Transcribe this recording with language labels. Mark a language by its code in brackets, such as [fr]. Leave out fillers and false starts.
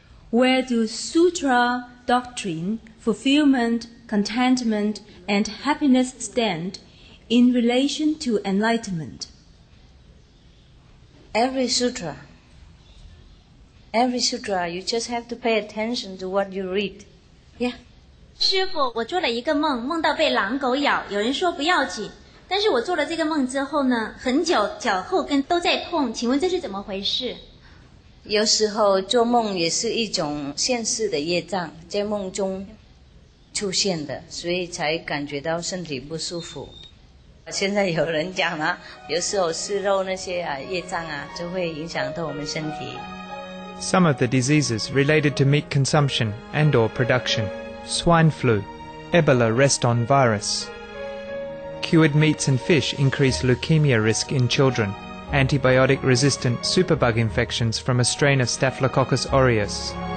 [en] Where do sutra, doctrine, fulfillment, contentment, and happiness stand in relation to enlightenment? Every sutra, you just have to pay attention to what you read. Yeah. [zh] 师父，我做了一个梦，梦到被狼狗咬，有人说不要紧，但是我做了这个梦之后呢，很久脚后跟都在痛，请问这是怎么回事？有时候做梦也是一种现世的业障，在梦中出现的，所以才感觉到身体不舒服。现在有人讲了，有时候吃肉那些啊业障啊，就会影响到我们身体。 [en] Some of the diseases related to meat consumption and or production, swine flu, Ebola Reston virus. Cured meats and fish increase leukemia risk in children, antibiotic resistant superbug infections from a strain of Staphylococcus aureus.